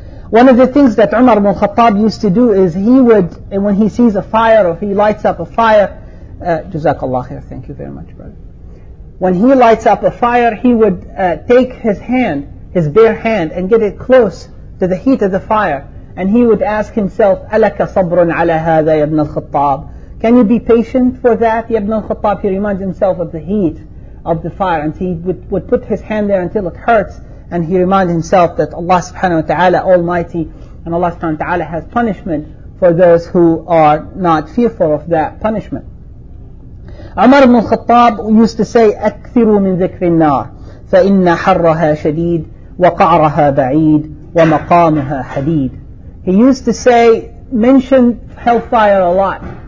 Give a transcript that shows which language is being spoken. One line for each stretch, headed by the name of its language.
English: One of the things that Umar ibn al-Khattab used to do is he would, when he sees a fire or he lights up a fire,
Arabic: Jazakallah khair,
English: thank you very much, brother. When he lights up a fire, he would take his hand, his bare hand, and get it close to the heat of the fire.
Arabic: And he would ask himself, أَلَكَ صَبْرٌ عَلَى هَذَا يَبْنَ الْخَطَّابِ.
English: Can you be patient for that, يَبْنَ الْخَطَّابِ? He reminds himself of the heat of the fire. And he would put his hand there until it hurts. And he reminds himself that Allah subhanahu wa ta'ala, Almighty, and Allah subhanahu wa ta'ala has punishment for those who are not fearful of that punishment.
Arabic: Umar ibn al-Khattab used to say, أَكْثِرُوا مِنْ ذِكْرِ النَّارِ فَإِنَّ حَرَّهَا شَدِيدٌ وَقَعْرَهَا بَعِيدٌ وَمَقَامُهَا حَدِيدٌ.
English: He used to say, mention hellfire a lot.